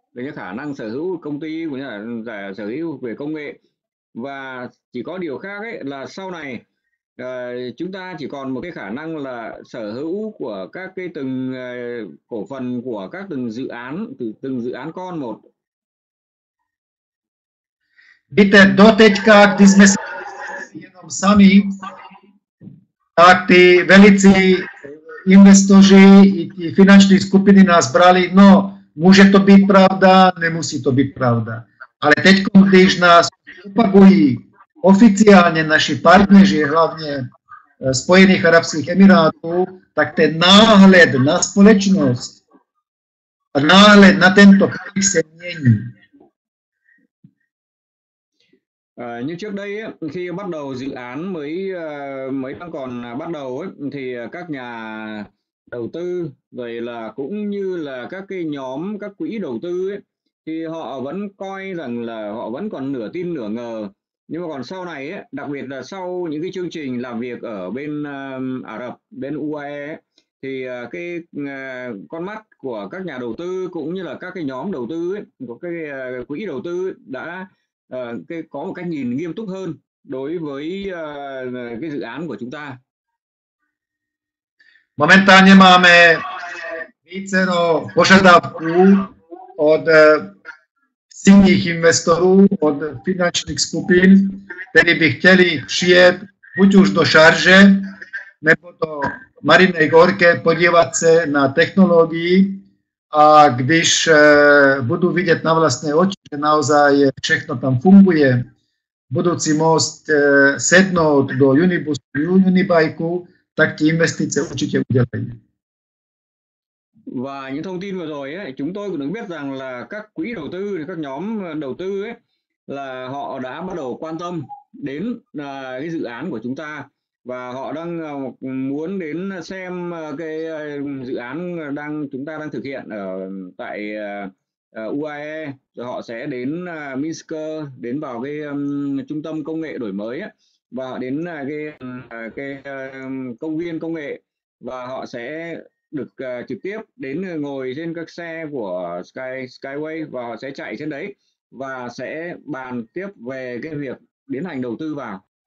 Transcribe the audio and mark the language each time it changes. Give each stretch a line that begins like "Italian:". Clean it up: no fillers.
Vietnamese: về cái khả năng sở hữu công ty của nhà là sở hữu về công nghệ. Và chỉ có điều khác ấy là sau này chúng ta chỉ còn một cái khả năng là sở hữu của các cái từng cổ phần của các từng dự án, từng dự án con một.
Czech: Víte, doteďka, když jsme se jenom sami, tak ty velicí investoři i ty finanční skupiny nás brali, no, může to být pravda, nemusí to být pravda. Ale teď, když nás propagují oficiálně naši partneři, hlavně Spojených arabských emirátů, tak ten náhled na společnost a náhled na tento kraj se mění.
Vietnamese: Như trước đây ấy, khi bắt đầu dự án mới mới đang còn bắt đầu ấy, thì các nhà đầu tư vậy là cũng như là các cái nhóm các quỹ đầu tư ấy, thì họ vẫn coi rằng là họ vẫn còn nửa tin nửa ngờ. Nhưng mà còn sau này ấy, đặc biệt là sau những cái chương trình làm việc ở bên Ả Rập, bên UAE ấy, thì cái con mắt của các nhà đầu tư cũng như là các cái nhóm đầu tư ấy, các cái quỹ đầu tư đã có một cách nhìn nghiêm túc hơn đối với cái dự án của chúng ta.
Czech: Momentálně máme vícero požadavků od silných investorů, od finančních skupin, kteří by chtěli přijet buď už do Šarže nebo do Marinej Gorke podívat se na technologii. A když budu vidět na vlastné oči, že naozaj všechno tam funguje, budoucí most sednout do unibusu, unibajku, tak ti investice určitě udělají.
Vietnamese: Và những thông tin vừa rồi ấy, chúng tôi cũng biết rằng là các quỹ đầu tư, các nhóm đầu tư ấy, là họ đã bắt đầu quan tâm đến cái dự án của chúng ta. Và họ đang muốn đến xem cái dự án đang chúng ta đang thực hiện ở tại UAE, rồi họ sẽ đến Minsk, đến vào cái trung tâm công nghệ đổi mới ấy, và họ đến cái công viên công nghệ, và họ sẽ được trực tiếp đến ngồi trên các xe của Skyway, và họ sẽ chạy trên đấy và sẽ bàn tiếp về cái việc tiến hành đầu tư vào.